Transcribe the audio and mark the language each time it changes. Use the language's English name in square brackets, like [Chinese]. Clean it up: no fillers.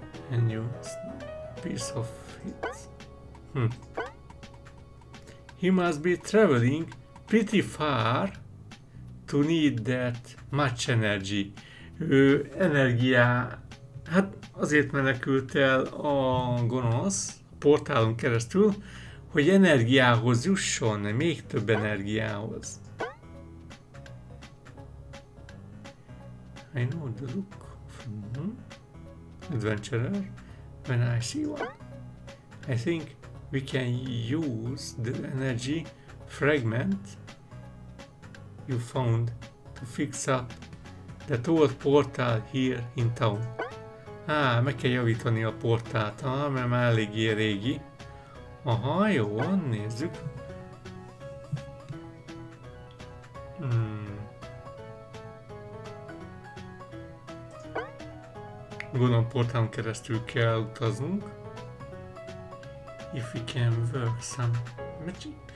[English] And you... piece of it. He must be traveling pretty far to need that much energy. [Hungarian] Ő energiá... Hát azért menekült el a gonosz portálon keresztül, hogy energiához jusson, még több energiához. [English] I know the look of adventurer when I see one. I think we can use the energy fragment you found to fix up that old portal here in town. [Hungarian] Á, meg kell javítani a portált, mert már eléggé régi. Aha, jó, nézzük. Gondolom portálon keresztül kell utaznunk. [English] If we can work some magic.